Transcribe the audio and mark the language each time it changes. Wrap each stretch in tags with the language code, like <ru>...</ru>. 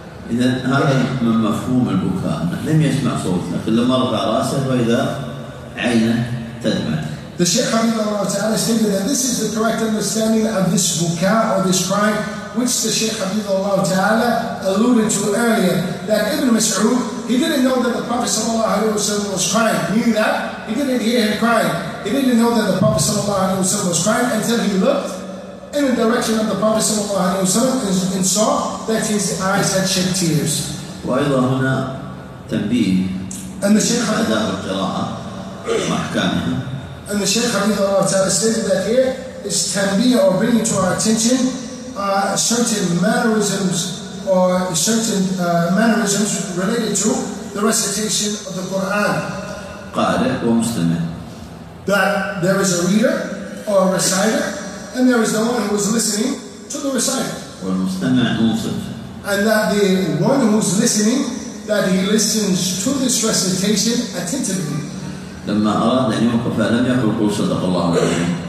<ar>إذا هذا من مفهوم البكاء لم يسمع صوت لكن لما رفع رأسه فإذا عينه تدمع.</ar> <en>The Shaykh Habibullah Ta'ala stated that this is the correct understanding of this buka or this crying, which the Shaykh Habibullah Ta'ala alluded to earlier, that Ibn Mas'ud, he didn't know that the Prophet Sallallahu Alaihi Wasallam was crying. Meaning that he didn't hear him crying. He didn't know that the Prophet Sallallahu Alaihi Wasallam was crying until he looked in the direction of the Prophet Sallallahu Alaihi Wasallam and saw that his eyes had shed tears.</en> <ar>وَأَيْضًا هُنَا تنبيه أن الشيخ أداء القراءة وأحكامها. أن الشيخ حفظه الله تعالى</ar> <en>stated that here is تنبيه or bringing to our attention certain mannerisms or certain mannerisms related to the recitation of the Quran.</en> <ar>قارئ ومستمع.</ar> <en>That there is a reader or a reciter and there is the one who is listening to the reciter.</en> <ar>والمستمع منصف.</ar> <en>And that the one who's listening, that he listens to this recitation attentively.</en> <ar>لما أراد أن يوقف لم يقل قول صدق الله عليه.</ar>